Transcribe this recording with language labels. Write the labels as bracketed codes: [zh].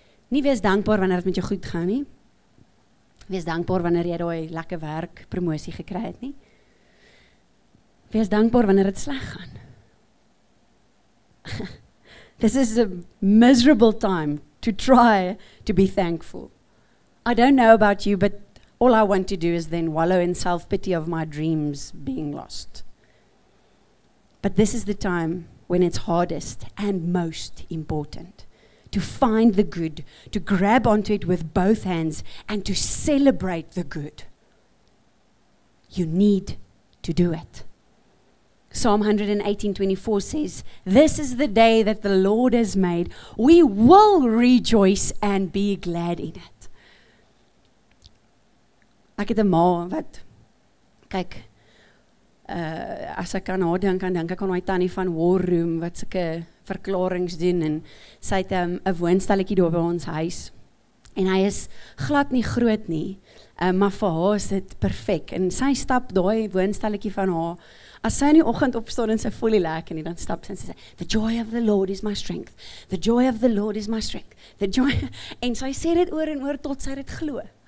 [af] Nie wees dankbaar wanneer het met jou goed gaan nie. Wees dankbaar wanneer jy daai lekker werk, promosie gekry het nie. Wees dankbaar wanneer het sleg gaan. [en] This is a miserable time to try to be thankful. I don't know about you, but all I want to do is then wallow in self-pity of my dreams being lost. But this is the time when it's hardest and most important to find the good, to grab onto it with both hands, and to celebrate the good. You need to do it. Psalm 118:24 says, this is the day that the Lord has made. We will rejoice and be glad in it. [af] Ek het 'n ma wat, kyk, as ek aan haar dink, dan dink ek aan my tannie van War Room, wat sulke verklarings doen, en sy het 'n woonstelletjie daar by ons huis, en hy is glad nie groot nie, maar vir haar is dit perfek, en sy stap daai woonstelletjie van haar, as sy in die oggend opstaan en sy voel nie lekker nie, dan stap sy en sy sê, [en] the joy of the Lord is my strength, the joy [af] of the Lord is my strength, the joy, en sy sê dit oor en oor tot sy dit glo.